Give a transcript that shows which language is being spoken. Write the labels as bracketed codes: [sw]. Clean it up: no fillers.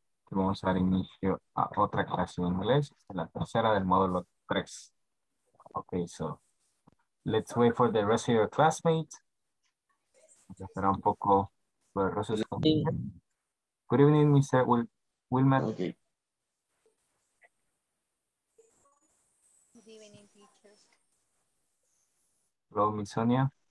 [es] Vamos a dar inicio a otra clase de inglés, la tercera del módulo 3. [en] Okay, so let's wait for the rest of your classmates. [es] Vamos a esperar un poco por el resto de sus compañeros. [en] Good evening, Mr. Wilmer. Okay. Hello, Miss Sonia.